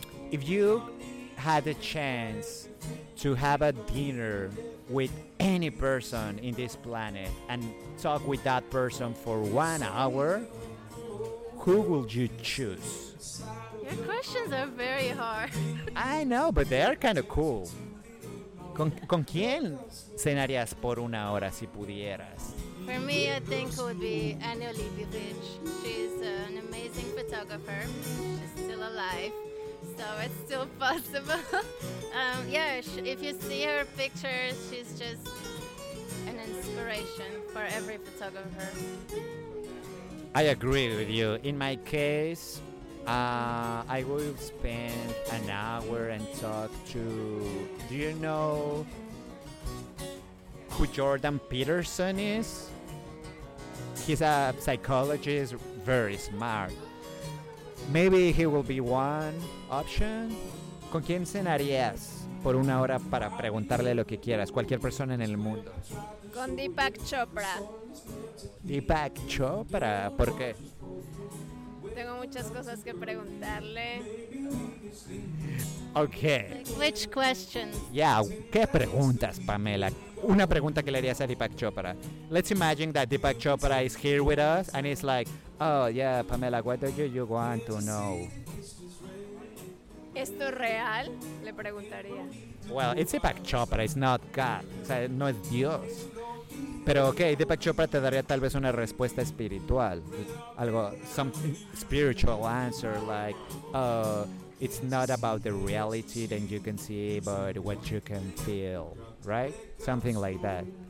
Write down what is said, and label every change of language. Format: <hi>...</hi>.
<en>If you had a chance to have a dinner with any person in this planet and talk with that person for 1 hour, who would you choose? Your questions are very hard. I know, but they are kind of cool.</en> <es>¿Con quién cenarías por una hora si pudieras?</es> <en>For me, I think it would be Annie Olivievich. She's an amazing photographer. She's still alive, so it's still possible. if you see her pictures, she's just an inspiration for every photographer. I agree with you. In my case, I will spend an hour and talk to... Do you know who Jordan Peterson is? He's a psychologist, very smart. Maybe he will be one option.</en> <es>¿Con quién cenarías por una hora para preguntarle lo que quieras? Cualquier persona en el mundo. Con Deepak Chopra. Deepak Chopra, ¿por qué? Tengo muchas cosas que preguntarle.</es> <en>Okay. Like, which questions?</en> <es>Yeah, ¿qué preguntas, Pamela? Una pregunta que le harías a Deepak Chopra.</es> <en>Let's imagine that Deepak Chopra is here with us and it's like, oh yeah, Pamela, what do you want to know?</en> <es>¿Esto es real? Le preguntaría.</es> <en>Well, it's Deepak Chopra, it's not God.</en> <es>O sea, no es Dios. Pero okay, Deepak Chopra te daría tal vez una respuesta espiritual, algo,</es> <en>some spiritual answer like, oh, it's not about the reality that you can see, but what you can feel, right? Something like that.</en>